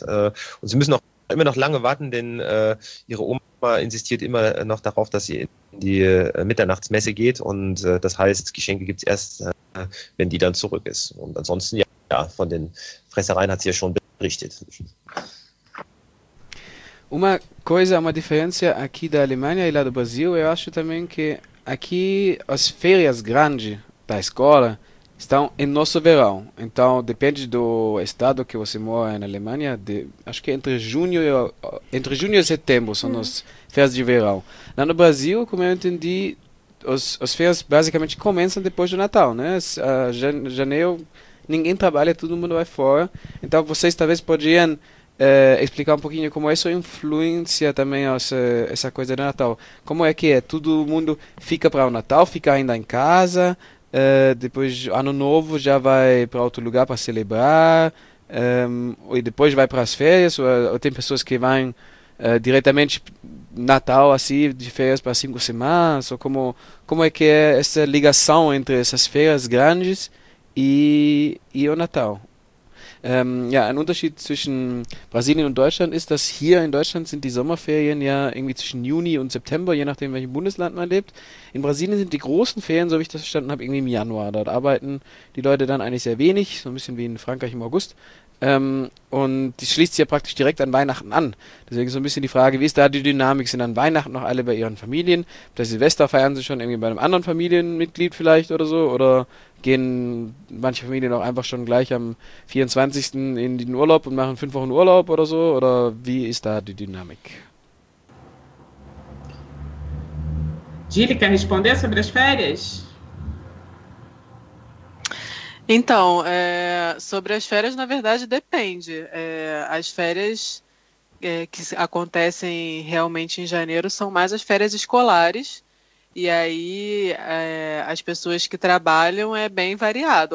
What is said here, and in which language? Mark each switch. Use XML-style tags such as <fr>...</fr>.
<de>Und sie müssen auch immer noch lange warten, denn ihre Oma insistiert immer noch darauf, dass sie in die Mitternachtsmesse geht. Und das heißt, Geschenke gibt es erst, wenn die dann zurück ist. Und ansonsten, ja, von den Fressereien hat sie ja schon berichtet.</de> <pt>Uma coisa, uma diferença aqui da Alemanha e lá do Brasil, eu acho também que aqui as férias grandes da escola estão em nosso verão. Então depende do estado que você mora na Alemanha, acho que entre junho e setembro são as férias de verão. Lá no Brasil, como eu entendi, as férias basicamente começam depois do Natal, né? Janeiro ninguém trabalha, todo mundo vai fora. Então vocês talvez podiam explicar um pouquinho como isso influencia também essa coisa do Natal. Como é que é? Todo mundo fica para o Natal, fica ainda em casa, depois Ano Novo já vai para outro lugar para celebrar, e depois vai para as férias, ou tem pessoas que vão diretamente Natal assim, de férias para 5 semanas, ou como é que é essa ligação entre essas férias grandes e o Natal?</pt> <de>Ja, ein Unterschied zwischen Brasilien und Deutschland ist, dass hier in Deutschland sind die Sommerferien ja irgendwie zwischen Juni und September, je nachdem, welchem Bundesland man lebt. In Brasilien sind die großen Ferien, so wie ich das verstanden habe, irgendwie im Januar. Dort arbeiten die Leute dann eigentlich sehr wenig, so ein bisschen wie in Frankreich im August. Und die schließt sich ja praktisch direkt an Weihnachten an. Deswegen so ein bisschen die Frage, wie ist da die Dynamik? Sind an Weihnachten noch alle bei ihren Familien? Bei Silvester feiern sie schon irgendwie bei einem anderen Familienmitglied vielleicht oder so? Oder gehen manche Familien auch einfach schon gleich am 24. in den Urlaub und machen 5 Wochen Urlaub oder so? Oder wie ist da die Dynamik?</de> <pt>Gili, quer responder sobre as férias? Então, sobre as férias, na verdade, depende. As férias que acontecem realmente em janeiro são mais as férias escolares, e aí as pessoas que trabalham é bem variado.</pt>